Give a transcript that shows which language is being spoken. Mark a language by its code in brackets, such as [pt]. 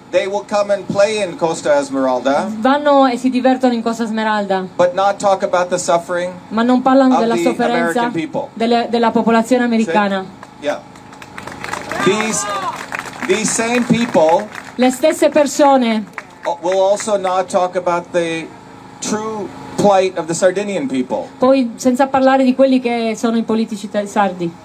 [en] They will come and play in Costa Esmeralda, [it] vanno e si divertono in Costa Smeralda, [en] but not talk about the suffering, [it] ma non parlano della sofferenza della popolazione americana. [en] Yeah. These same people, [it] le stesse persone, [en] will also not talk about the true plight of the Sardinian people. [it] Poi senza parlare di quelli che sono i politici sardi.